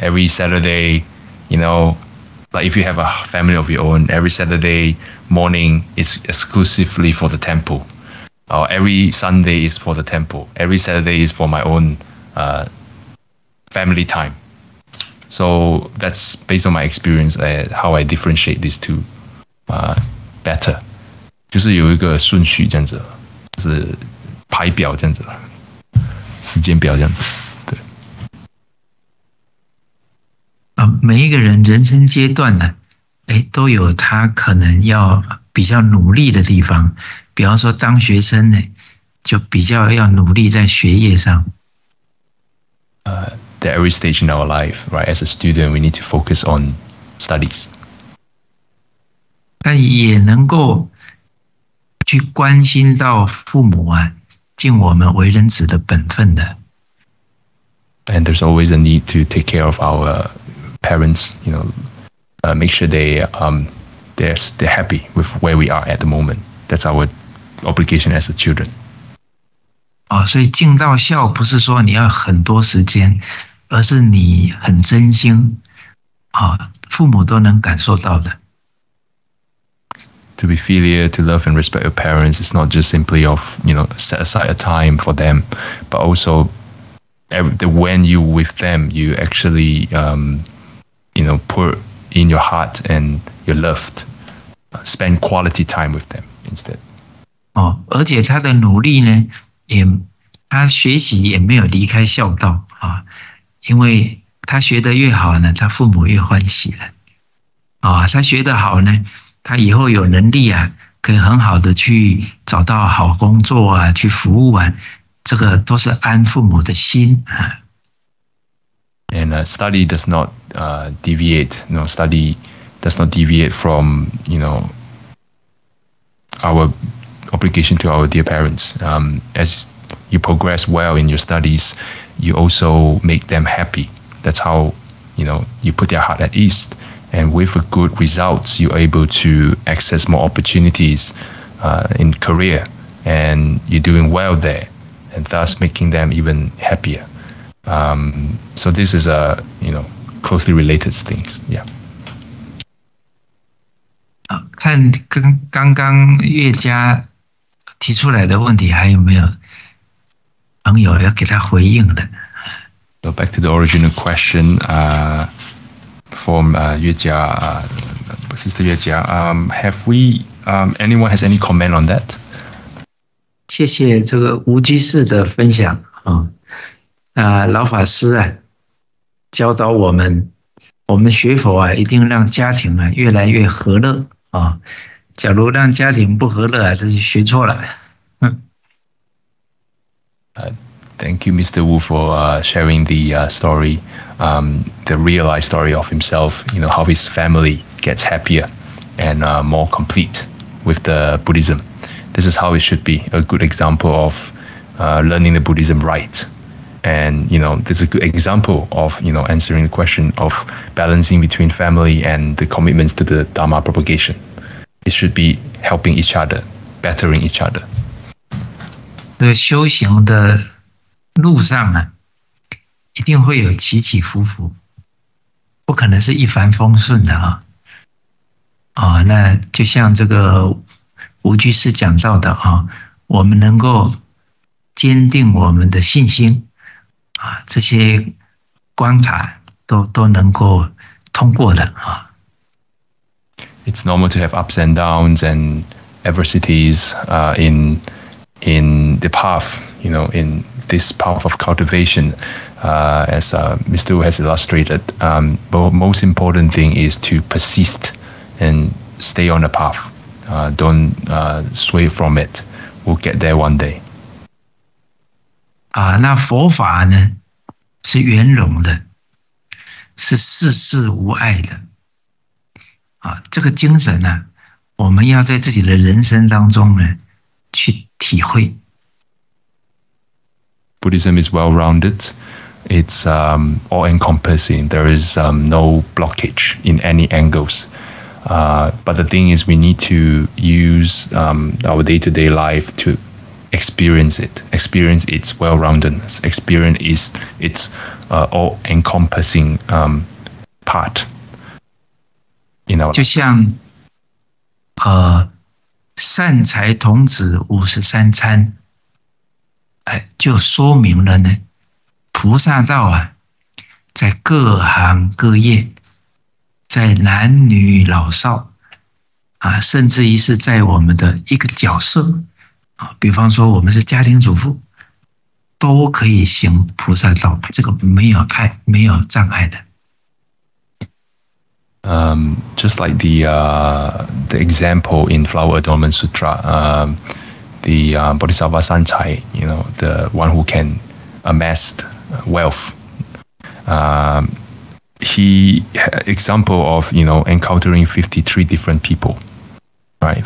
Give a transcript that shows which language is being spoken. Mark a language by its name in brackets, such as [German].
[English] Every Saturday, you know, like if you have a family of your own, every Saturday morning is exclusively for the temple. Every Sunday is for the temple. Every Saturday is for my own family time. So that's based on my experience, how I differentiate these two better. [Chinese] 就是有一个顺序这样子，就是排表这样子，时间表这样子，对。每一个人人生阶段呢，都有他可能要比较努力的地方。比方说，当学生呢，就比较要努力在学业上。 [English] At every stage in our life, right? As a student, we need to focus on studies. [Chinese] 但也能够。去关心到父母啊，尽我们为人子的本分的。 [English] And there's always a need to take care of our parents, you know, make sure they're happy with where we are at the moment. That's our obligation as a children. [Chinese] 哦，所以尽到孝不是说你要很多时间，而是你很真心，父母都能感受到的。 [English] To be filial, to love and respect your parents, it's not just simply of, you know, set aside a time for them, but also when you're with them, you actually, you know, put in your heart and your love, spend quality time with them instead. [Chinese] 哦，而且他的努力呢，也他学习也没有离开孝道啊，因为他学得越好呢，他父母越欢喜了。啊，他学得好呢。他以后有能力啊，可以很好的去找到好工作啊，去服务啊，这个都是安父母的心啊。 [English] And study does not deviate. No, study does not deviate from, you know, our obligation to our dear parents. As you progress well in your studies, you also make them happy. That's how, you know, you put their heart at ease. And with a good results, you're able to access more opportunities in career. And you're doing well there, and thus making them even happier. So this is a, you know, closely related things. Yeah. [Chinese] 看刚刚月家提出来的问题，还有没有朋友要给他回应的？ [English] So back to the original question, from Yuejia, Sister Yuejia, have we, anyone has any comment on that? [Chinese] 谢谢这个无居士的分享啊！老法师啊，教导我们，我们学佛啊，一定让家庭啊越来越和乐。哦，假如让家庭不和乐，这就学错了。 [English] Thank you, Mr. Wu, for sharing the story, the real life story of himself. You know how his family gets happier and more complete with the Buddhism. This is how it should be. A good example of learning the Buddhism right, and you know this is a good example of you know answering the question of balancing between family and the commitments to the Dharma propagation. It should be helping each other, bettering each other. [Chinese] 这个修行的路上啊，一定会有起起伏伏，不可能是一帆风顺的啊。啊，那就像这个吴居士讲到的啊，我们能够坚定我们的信心啊，这些关卡都能够通过的啊。 [English] It's normal to have ups and downs and adversities in the path, you know, in this path of cultivation. As Mr. Wu has illustrated, most important thing is to persist and stay on the path. Don't sway from it. We'll get there one day. [Chinese] 那佛法呢，是圆融的，是世事无碍的。这个精神呢、啊，我们要在自己的人生当中呢去体会。 [English] Buddhism is well-rounded. It's all-encompassing. There is no blockage in any angles. But the thing is, we need to use our day-to-day life to experience it, experience its well-roundedness, experience its all-encompassing part. You know, [Chinese] 就像善财童子五十三参、就说明了呢菩萨道啊在各行各业在男女老少啊甚至于是在我们的一个角色啊比方说我们是家庭主妇都可以行菩萨道这个没有碍没有障碍的。 [English] Just like the example in Flower Adornment Sutra, Bodhisattva Sanchai, you know, the one who can amass wealth. He example of you know encountering 53 different people, right?